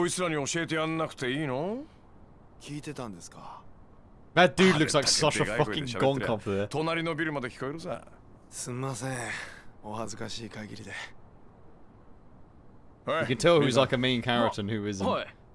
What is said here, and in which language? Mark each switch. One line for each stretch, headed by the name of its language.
Japanese: どうして上野聖和会の連中が金村工業の島で飲んじゃダメかって話だよ。こいつらに教えてやんなくていいの? 聞いてたんですか?
English: That dude looks like such a fucking gonk up there.
Japanese: 隣のビルまで聞こえるさ。すんません、お恥ずかしい限りで。
English: You can tell who's like a main character and who isn't.